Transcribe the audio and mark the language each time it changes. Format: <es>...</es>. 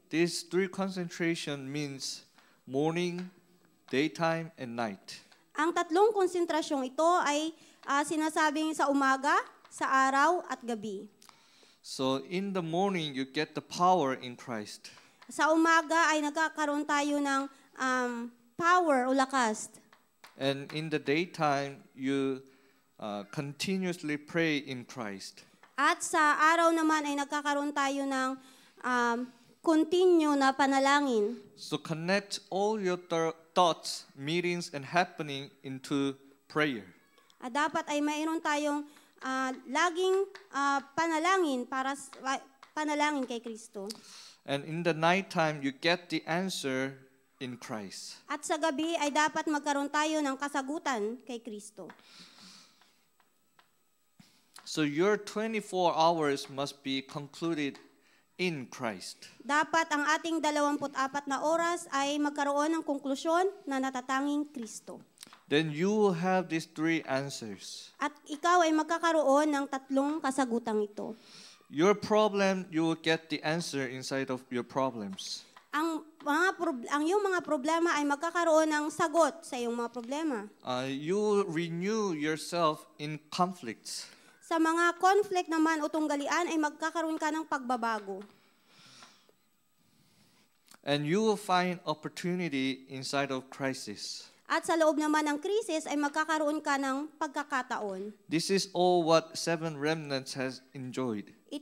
<en>These three concentration means morning, daytime, and night.</en> <tl>Ang tatlong konsentrasyon ito ay sinasabing sa umaga, sa araw, at gabi.</tl> <en>So in the morning, you get the power in Christ.</en> <tl>Sa umaga ay nagkakaroon tayo ng power o lakas.</tl> <en>And in the daytime, you continuously pray in Christ.</en> <tl>At sa araw naman ay nagkakaroon tayo ng continue na panalangin.</tl> <en>So connect all your thoughts, meetings, and happening into prayer.</en> <tl>At dapat ay mayroon tayong laging panalangin para panalangin kay Kristo.</tl> <en>And in the night time, you get the answer in Christ.</en> <tl>At sa gabi ay dapat magkaroon tayo ng kasagutan kay Kristo.</tl> <en>So your 24 hours must be concluded in Christ.</en> <tl>Dapat ang ating 24 na oras ay magkaroon ng konklusyon na natatanging Kristo.</tl> <en>Then you will have these three answers.</en> <tl>At ikaw ay magkakaroon ng tatlong kasagutang ito.</tl> <en>Your problem, you will get the answer inside of your problems.</en> <tl>Ang iyong mga problema ay magkakaroon ng sagot sa iyong mga problema.</tl> <en>You will renew yourself in conflicts.</en> <tl>Sa mga conflict naman o tunggalian ay magkakaroon ka ng pagbabago.</tl> <en>And you will find opportunity inside of crisis.</en> <tl>At sa loob naman ng krisis ay magkakaroon ka ng pagkakataon.</tl> <en>This is all what seven remnants has enjoyed.</en>